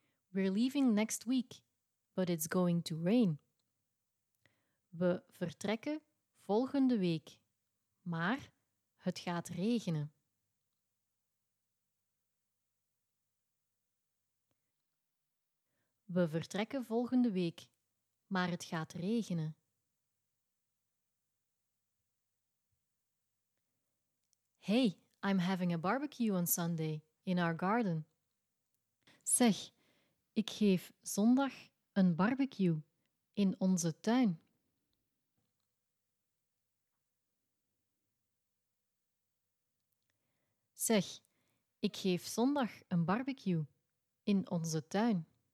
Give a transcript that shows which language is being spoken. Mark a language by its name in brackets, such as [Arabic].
[English] We're leaving next week, but it's going to rain. [Dutch] We vertrekken volgende week, maar het gaat regenen. We vertrekken volgende week, maar het gaat regenen. [English] Hey, I'm having a barbecue on Sunday in our garden. [Dutch] Zeg, ik geef zondag een barbecue in onze tuin. Zeg, ik geef zondag een barbecue in onze tuin.